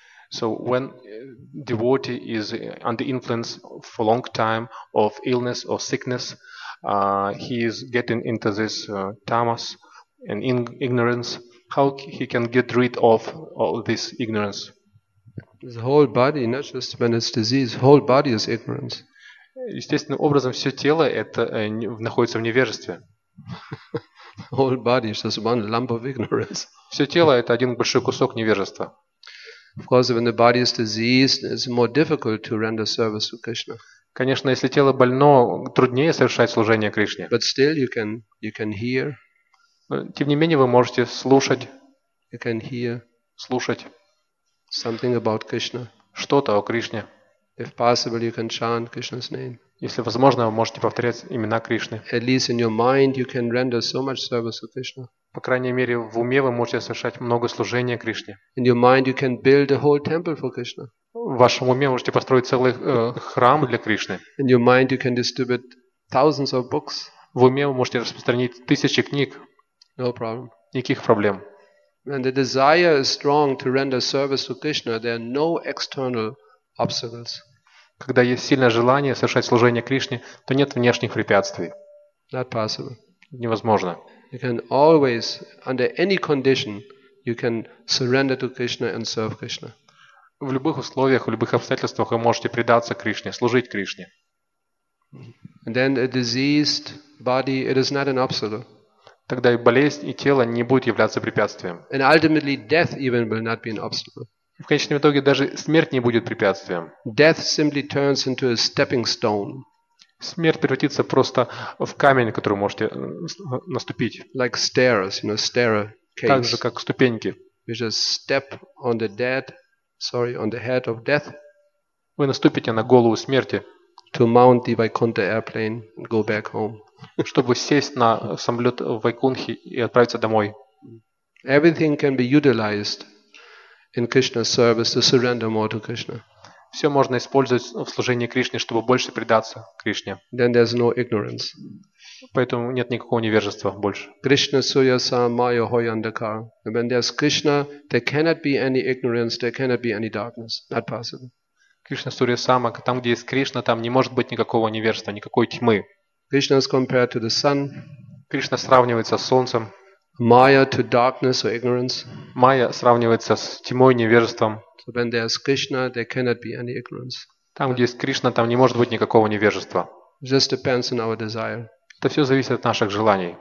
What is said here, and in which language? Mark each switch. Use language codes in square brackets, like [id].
[en] So when devotee is under influence for a long time of illness or sickness, he is getting into this tamas and ignorance. How he can get rid of all this ignorance? The whole body, not just when it's disease, whole body is ignorance. [ru] Естественным образом все тело это находится в невежестве. [en] Whole body is just one lump of ignorance. [ru] Все тело это один большой кусок невежества. [en] Of course, when the body is diseased, it's more difficult to render service to Krishna. [ru] Конечно, если тело больно, труднее совершать служение Кришне. [en] But still, you can hear. [ru] Тем не менее, вы можете слушать. [en] You can hear. [ru] Слушать. [en] Something about Krishna. [ru] Что-то о Кришне. [en] If possible, you can chant Krishna's name. [ru] Если возможно, вы можете повторять имена Кришны. [en] At least in your mind, you can render so much service to Krishna. [ru] По крайней мере, в уме вы можете совершать много служения Кришне. [en] In your mind, you can build a whole temple for Krishna. [ru] В вашем уме можете построить целый храм для Кришны. [en] In your mind, you can distribute thousands of books. [ru] В уме вы можете распространить тысячи книг. [en] No problem. [ru] Никаких проблем. [en] When the desire is strong to render service to Krishna, there are no external obstacles. [ru] Когда есть сильное желание совершать служение Кришне, то нет внешних препятствий. [en] Not possible. [ru] Невозможно. [en] You can always, under any condition, you can surrender to Krishna and serve Krishna. [ru] В любых условиях, в любых обстоятельствах вы можете предаться Кришне, служить Кришне. [en] And then a diseased body, it is not an obstacle. [ru] Тогда и болезнь, и тело не будут являться препятствием. [en] And ultimately death even will not be an obstacle. [ru] В конечном итоге даже смерть не будет препятствием. [en] Death simply turns into a stepping stone. [ru] Смерть превратится просто в камень, который можете наступить. [en] Like stairs, you know, stair case. [ru] Так же, как ступеньки. [en] You just step on the dead, sorry, on the head of death. [ru] Вы наступите на голову смерти. [en] To mount the Vaikuntha airplane and go back home. [ru] Чтобы сесть на самолет в Вайкунхе и отправиться домой. [en] Everything can be utilized in Krishna's service to surrender more to Krishna. [ru] Все можно использовать в служении Кришне, чтобы больше предаться Кришне. [en] Then there's no ignorance. [ru] Поэтому нет никакого невежества больше. [bn] Krishna suya samaya hoyandakar. [en] When there's Krishna, there cannot be any ignorance, there cannot be any darkness. Not possible. [bn] Кришна сурья сама, [ru] там где есть Кришна, там не может быть никакого невежества, никакой тьмы. [en] Krishna is compared to the sun. [ru] Кришна сравнивается с солнцем. [en] Maya to darkness or ignorance. [ru] Майя сравнивается с тьмой, невежеством. [en] So when there is Krishna, there cannot be any ignorance. [ru] Там где есть Кришна, там не может быть никакого невежества. [en] Just depends on our desire. [ru] Это все зависит от наших желаний.